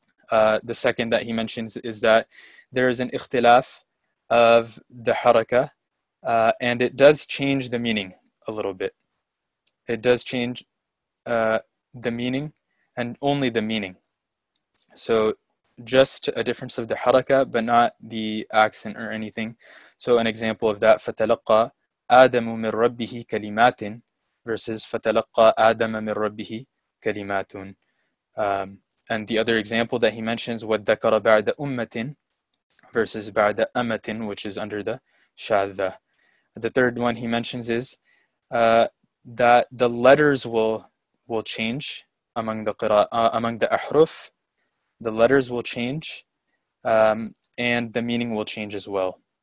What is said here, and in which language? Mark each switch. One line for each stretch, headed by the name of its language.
English: The second that he mentions is that there is an ikhtilaf of the haraka, and it does change the meaning a little bit. It does change the meaning, and only the meaning. So just a difference of the haraka, but not the accent or anything. So an example of that,
Arabic: فَتَلَقَّى آدَمُ مِن رَبِّهِ كَلِمَاتٍ versus فَتَلَقَّى آدَمَ مِن رَبِّهِ كَلِمَاتٌ.
English: And the other example that he mentions,
Arabic: وَذَّكَرَ بَعْدَ أُمَّةٍ
English: versus
Arabic: بَعْدَ أَمَّةٍ,
English: which is under the شَاذَ. The third one he mentions is that the letters will change among the among the ahruf, the letters will change, and the meaning will change as well.